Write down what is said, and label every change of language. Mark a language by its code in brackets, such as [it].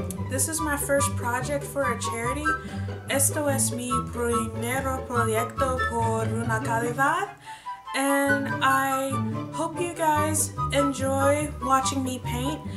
[en] This is my first project for a charity. [es] Esto es mi primero proyecto por una caridad. [en] And I hope you guys enjoy watching me paint.